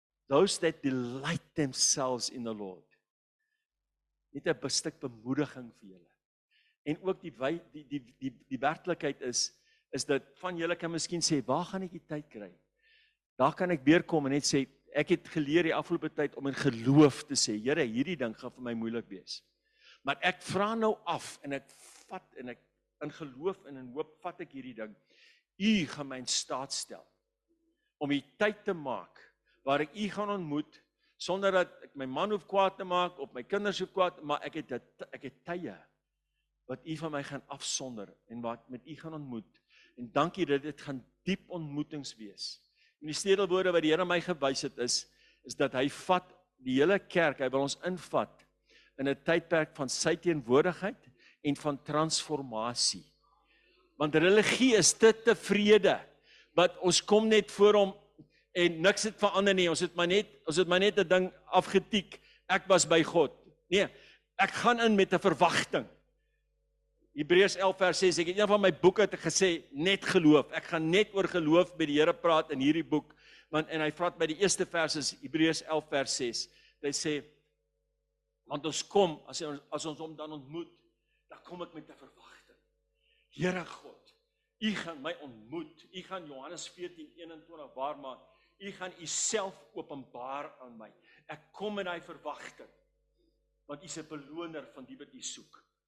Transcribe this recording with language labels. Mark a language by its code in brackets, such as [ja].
[en] Those that delight themselves in the Lord. [af] Net 'n stuk bemoediging vir julle. En ook die werklikheid is dat van julle kan miskien sê, waar gaan ek die tyd kry? Daar kan ek weer kom en net sê, ek het geleer die afgelope tyd om in geloof te sê, Here, hierdie ding gaan vir my moeilik wees. Maar ek vra nou af en ek vat en ek in geloof en in hoop vat ek hierdie ding. U gaan my in staat stel om die tyd te maak waar ek u gaan ontmoet sonder dat ek my man hoef kwaad te maak of my kinders hoef kwaad, maar ek het tye wat u van my gaan afsonder en wat met u gaan ontmoet. En dankie dat dit gaan diep ontmoetings wees. En die sleutelwoorde wat die Here my gewys het is dat hy vat die hele kerk, hy wil ons invat in 'n tydperk van sy teenwoordigheid en van transformasie. Want religie is te vrede, wat ons kom net voor hom en niks het verander nie. Ons het maar net 'n ding afgetiek. Ek was by God. Nee, ek gaan in met 'n verwagting. Hebreërs 11 vers 6, ek het een van my boeke te gesê, net geloof. Ek gaan net oor geloof by die Here praat in hierdie boek. Want en hy vraat by die eerste vers is Hebreërs 11 vers 6. Hy sê, want ons kom, as ons hom dan ontmoet, dan kom ek met 'n verwagting. Here God, u gaan my ontmoet. U gaan Johannes 14:21 waar maak. U gaan u self openbaar aan my. Ek kom in daai verwagting. Want u is 'n beloner van die wat u soek.